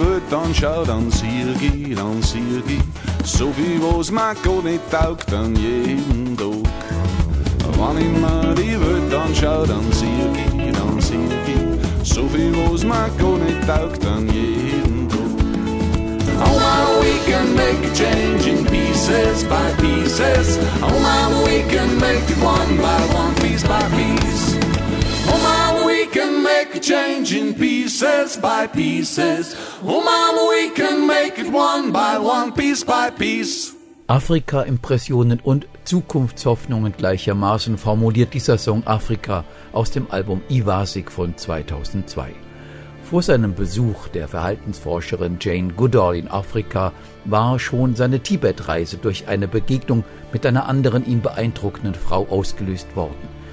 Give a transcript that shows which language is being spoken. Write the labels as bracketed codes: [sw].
[de] Dann schau, dann sieh ich, dann sieh ich. So viel, was mir gar nicht taugt, dann jeden Tag. Wann ich mir die Welt dann schau, dann sieh ich. So viel, was mir gar nicht taugt, dann jeden Tag. [en] Oh, man, we can make a change in pieces by pieces. Oh, man, we can make it one by one, piece by piece. Oh man, we can make a change in pieces by pieces. Oh man, we can make it one by one, piece by piece. [de] Afrika-Impressionen und Zukunftshoffnungen gleichermaßen formuliert dieser Song Afrika aus dem Album Iwasik von 2002. Vor seinem Besuch der Verhaltensforscherin Jane Goodall in Afrika war schon seine Tibet-Reise durch eine Begegnung mit einer anderen ihn beeindruckenden Frau ausgelöst worden.